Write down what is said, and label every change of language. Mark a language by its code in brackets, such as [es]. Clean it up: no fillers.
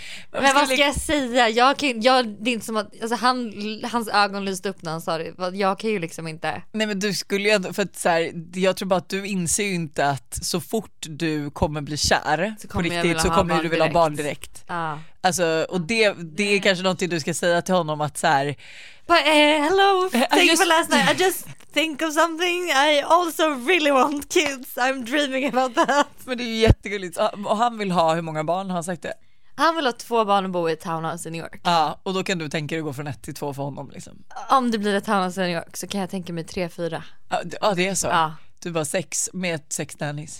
[sv] Men vad ska jag säga? Jag det är inte som att, alltså hans ögon lyste upp när han sa det. Jag kan ju liksom inte. Nej, men du skulle ju ändå, för att så här, jag tror bara att du inser ju inte att så fort du kommer bli kär på riktigt så kommer du vilja ha barn direkt. Ah. Alltså, och det är kanske någonting du ska säga till honom, att så här, [en] but, hello, thank you for last night. I just think of something. I also really want kids. I'm dreaming about that. [sv] Men det är ju jättegulligt. Och han vill ha, hur många barn har han sagt det? Han vill ha 2 barn och bo i ett townhouse i New York. Ja, och då kan du tänka dig att gå från 1 till 2 för honom liksom. Om det blir ett townhouse i New York så kan jag tänka mig 3-4. Ja, det är så. Ja. Du bara 6 med 6 nannies.